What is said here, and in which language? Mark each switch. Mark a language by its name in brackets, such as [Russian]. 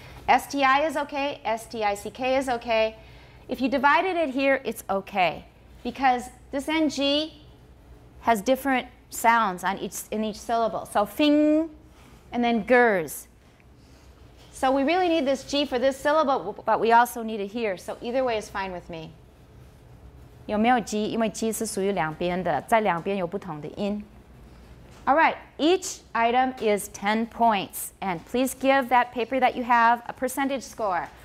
[English] STI is okay. STICK is okay. If you divided it here, it's okay because this NG has different sounds on each syllable. So fing. And then gers. So we really need this G for this syllable, but we also need it here. So either way is fine with me. [Chinese] 有没有G? 因为G是属于两边的, 在两边有不同的音. [English] All right, each item is 10 points. And please give that paper that you have a percentage score.